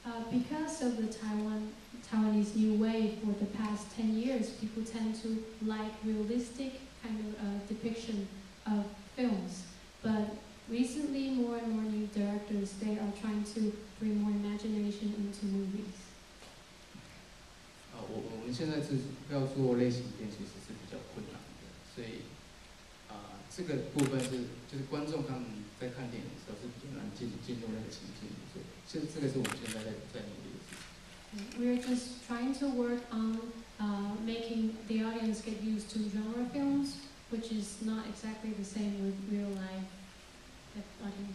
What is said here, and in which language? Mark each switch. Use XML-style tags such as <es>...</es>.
<en>Because of the Taiwanese new wave for the past 10 years, people tend to like realistic kind of depiction of films. But recently, more and more new directors, they are trying to bring more imagination into movies.</en> <zh>我们现在是要做类型片，其实是比较困难的，所以这个部分是就是观众他们在看电影的时候是比较难进入那个情境，所以这个是我们现在在努力的事。</zh> <en>We are just trying to work on making the audience get used to genre films, which is not exactly the same with real life.</en>